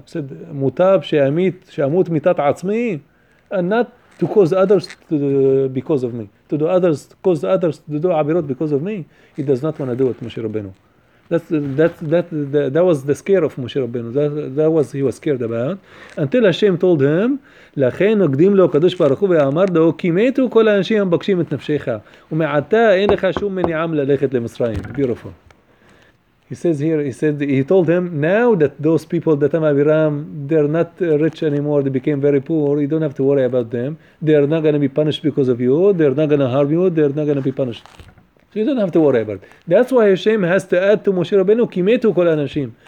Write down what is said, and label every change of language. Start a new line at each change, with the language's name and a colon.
English: He said, Mutab she'amut mitat atzmi, and not to cause others to do, because of me. To do others, cause others to do abirot because of me. He does not want to do it, Moshe Rabbeinu. That was the scare of Moshe Rabbeinu. He was scared about. Until Hashem told him,
Hebrew: לכן הקדים לו הקדוש ברוך הוא ואמר לו, כי מתו כל האנשים המבקשים את נפשך, ומעתה אין לך שום מניעם ללכת למצרים.
English: Beautiful. He says here, he told him, now that those people, Datan ואבירם, they're not rich anymore, they became very poor, you don't have to worry about them. They are not going to be punished because of you, they are not going to harm you, they are not going to be punished. So you don't have to worry about it. That's why Hashem has to add to Moshe Rabbeinu, Kimetu kol anashim.